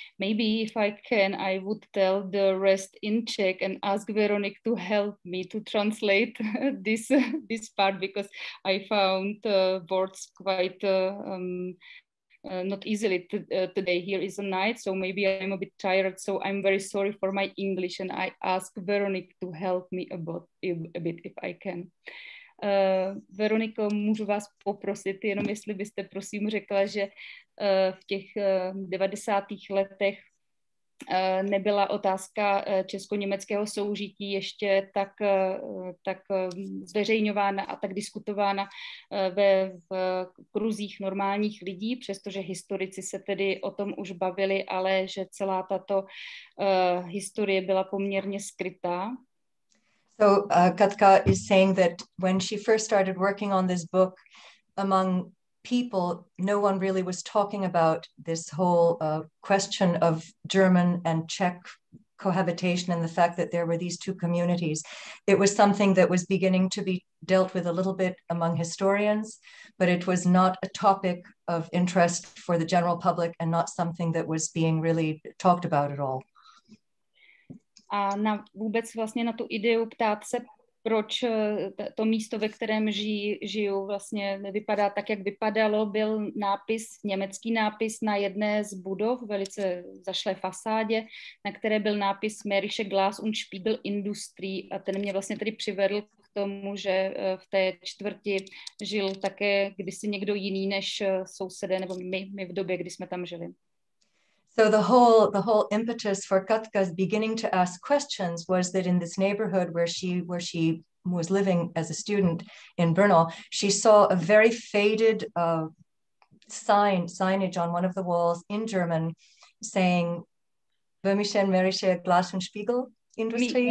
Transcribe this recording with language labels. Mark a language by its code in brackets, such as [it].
[en] Maybe if I can, I would tell the rest in Czech and ask Véronique to help me to translate this part, because I found words quite not easily today. Here is a night, so maybe I'm a bit tired, so I'm very sorry for my English, and I ask Véronique to help me a bit if I can. [cs] Veroniko, můžu vás poprosit, jenom jestli byste prosím řekla, že v těch 90. letech nebyla otázka česko-německého soužití ještě tak zveřejňována a tak diskutována v kruzích normálních lidí, přestože historici se tedy o tom už bavili, ale že celá tato historie byla poměrně skrytá. [en] So Katka is saying that when she first started working on this book, among people, no one really was talking about this whole question of German and Czech cohabitation and the fact that there were these two communities. It was something that was beginning to be dealt with a little bit among historians, but it was not a topic of interest for the general public and not something that was being really talked about at all. [cs] A na vůbec vlastně na tu ideu ptát se, proč to místo, ve kterém žiju, vlastně vypadá tak, jak vypadalo, byl nápis, německý nápis na jedné z budov, velice zašlé fasádě, na které byl nápis Märische Glas und Spiegel Industrie, a ten mě vlastně tady přivedl k tomu, že v té čtvrti žil také kdysi někdo jiný než sousedé, nebo my v době, kdy jsme tam žili. [en] So the whole impetus for Katka's beginning to ask questions was that in this neighborhood where she was living as a student in Brno, she saw a very faded signage on one of the walls in German saying Vermischen Märische Glas und Spiegel Industrie.